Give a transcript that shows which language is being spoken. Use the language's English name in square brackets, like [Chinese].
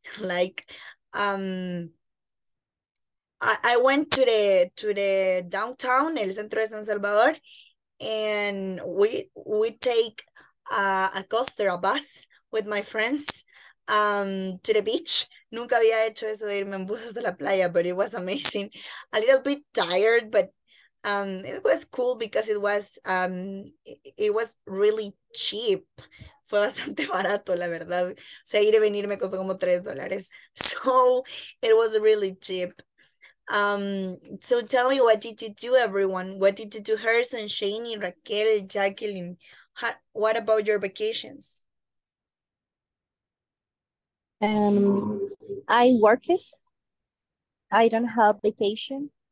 [English] Like I went to the downtown, El Centro de San Salvador, and we take a coaster, a bus with my friends to the beach. [Spanish] Nunca había hecho eso de irme en bus hasta la playa, [English] but it was amazing. A little bit tired, but it was cool because it was really cheap. [Spanish] Fue bastante barato, la verdad. O sea, ir y venir me costó como $3. [English] So it was really cheap. So tell me, what did you do, everyone? What did you do, Harrison, Shaney, Raquel, Jacqueline? What about your vacations? I work it. I don't have vacation.